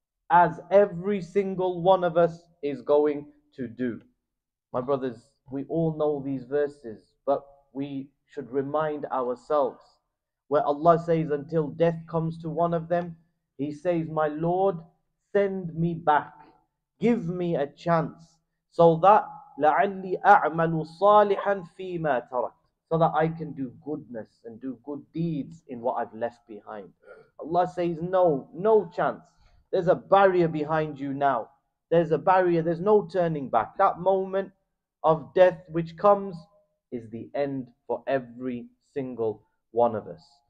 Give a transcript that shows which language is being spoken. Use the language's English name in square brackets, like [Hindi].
[English] As every single one of us is going to do. My brothers, We all know these verses, but we should remind ourselves. Where Allah says, until death comes to one of them, He says, my Lord, send me back. Give me a chance. So that, [Arabic] لَعَلِّي أَعْمَلُ صَالِحًا فِي مَا تَرَكْ. [English] So that I can do goodness and do good deeds in what I've left behind. Allah says, no, no chance. There's a barrier behind you now. There's a barrier. There's no turning back. That moment of death which comes is the end for every single one of us.